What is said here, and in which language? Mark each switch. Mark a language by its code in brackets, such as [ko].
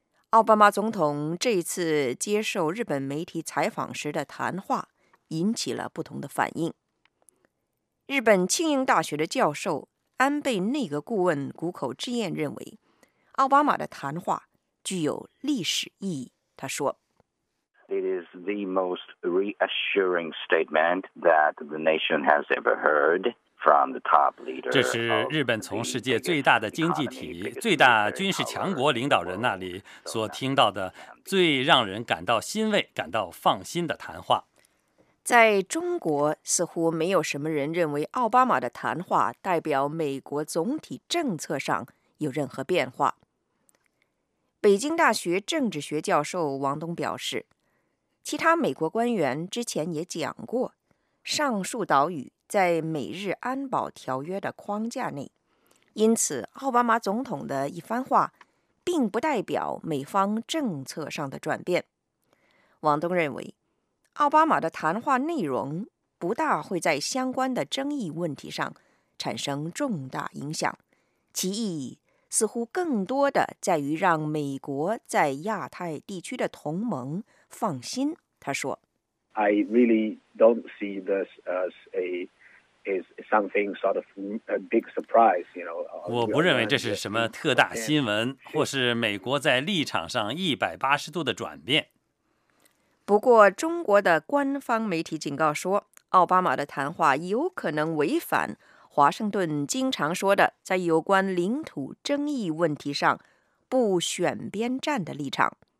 [zh] 奥巴马总统这一次接受日本媒体采访时的谈话引起了不同的反应。日本庆应大学的教授安倍内阁顾问谷口智彦认为，奥巴马的谈话具有历史意义。他说 [en] ：“It is the most reassuring statement that the nation has ever heard from the top leader。 [zh] 这是日本从世界最大的经济体、最大军事强国领导人那里所听到的最让人感到欣慰、感到放心的谈话。” 在中国，似乎没有什么人认为奥巴马的谈话代表美国总体政策上有任何变化。北京大学政治学教授王东表示，其他美国官员之前也讲过，上述岛屿在美日安保条约的框架内，因此奥巴马总统的一番话并不代表美方政策上的转变。王东认为，奥巴马的谈话内容不大会在相关的争议问题上产生重大影响，其意义似乎更多的在于让美国在亚太地区的同盟放心。他说 [en] ：“I really don't see this as a is something sort of a big surprise, you know。 [zh] 我不认为这是什么特大新闻，或是美国在立场上180度的转变。” 不过，中国的官方媒体警告说，奥巴马的谈话有可能违反华盛顿经常说的在有关领土争议问题上不选边站的立场。